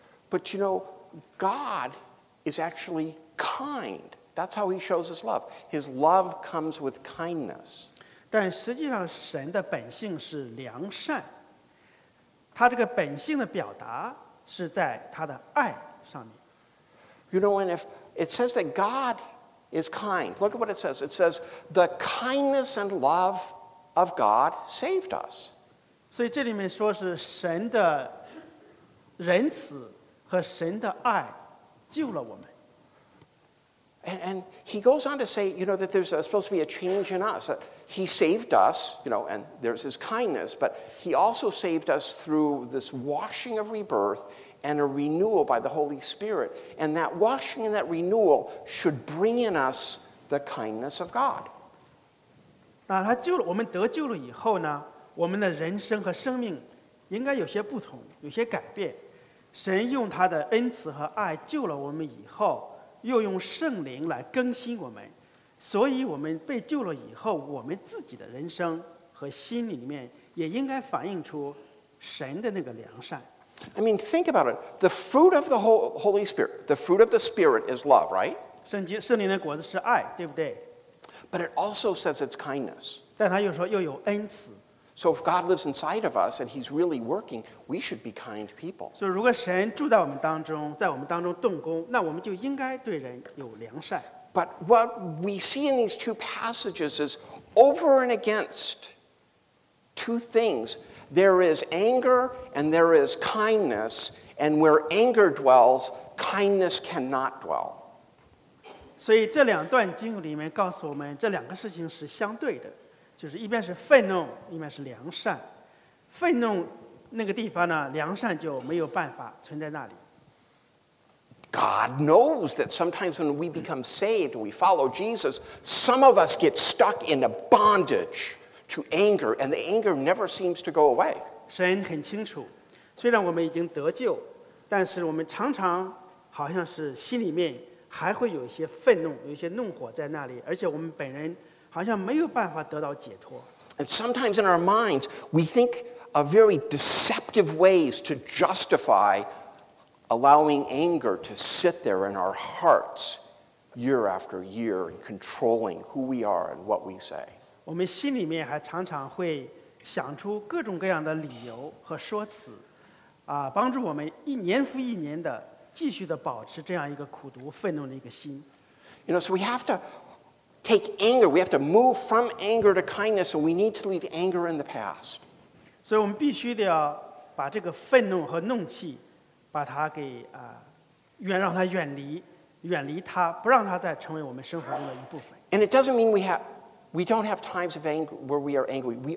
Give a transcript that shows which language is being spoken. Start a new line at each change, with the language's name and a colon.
English: But you know, God is actually kind. That's how he shows his love. His love comes with kindness.
Chinese: 但实际上神的本性是良善。他这个本性的表达是在他的爱上面。
English: You know, and if it says that God is kind, look at what it says. It says, the kindness and love... of God saved us.
Chinese: 所以这里面说是神的仁慈和神的爱救了我们。
English: And he goes on to say, you know, that there's supposed to be a change in us, that he saved us, you know, and there's his kindness, but he also saved us through this washing of rebirth and a renewal by the Holy Spirit. And that washing and that renewal should bring in us the kindness of God.
Chinese: 那他救了我们得救了以后呢，我们的人生和生命应该有些不同，有些改变。神用他的恩慈和爱救了我们以后，又用圣灵来更新我们，所以我们被救了以后，我们自己的人生和心里面也应该反映出神的那个良善。
English: I mean, think about it. The fruit of the Holy Spirit, the fruit of the Spirit is love, right?
Chinese: 圣灵的果子是爱，对不对？
English: But it also says it's kindness.
Chinese: 但他又说又有恩慈。
English: So if God lives inside of us and he's really working, we should be kind people.
Chinese: 所以如果神住在我们当中，在我们当中动工，那我们就应该对人有良善。
English: But what we see in these two passages is over and against two things. There is anger and there is kindness. And where anger dwells, kindness cannot dwell.
Chinese: 所以这两段经文里面告诉我们，这两个事情是相对的，就是一边是愤怒，一边是良善。愤怒那个地方呢，良善就没有办法存在那里。
English: God knows that sometimes when we become saved, we follow Jesus, some of us get stuck in a bondage to anger, and the anger never seems to go away.
Chinese: 神很清楚，虽然我们已经得救，但是我们常常好像是心里面还会有一些愤怒，有一些怒火在那里，而且我们本人好像没有办法得到解脱。
English: And sometimes in our minds, we think of very deceptive ways to justify allowing anger to sit there in our hearts year after year controlling who we are and what we say.
Chinese: 我们心里面还常常会想出各种各样的理由和说辞，帮助我们一年复一年的继续的保持这样一个苦读愤怒的一个心。
English: You know, so we have to take anger, we have to move from anger to kindness, and we need to leave anger in the past.
Chinese: 所以我们必须得要把这个愤怒和怒气把它给让它远离，远离它，不让它再成为我们生活中的一部分。
English: And it doesn't mean we don't have times of anger where we are angry.